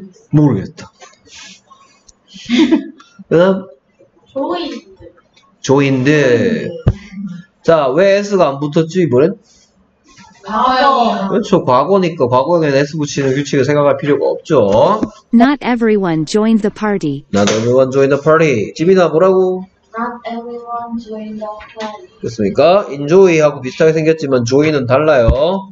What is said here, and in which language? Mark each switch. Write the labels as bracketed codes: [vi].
[ko] 모르겠다. 그 다음? [en] joined. joined. [ko] 자, 왜 S가 안 붙었지, 이번엔? 과거형. 그렇죠. 과거니까 과거형에 S 붙이는 규칙을 생각할 필요가 없죠. [en] Not everyone joined the party. Not everyone joined the party. [ko] 지민아, 뭐라고? [en] Not everyone join the party. [ko] 그렇습니까? enjoy 하고 비슷하게 생겼지만 join은 달라요.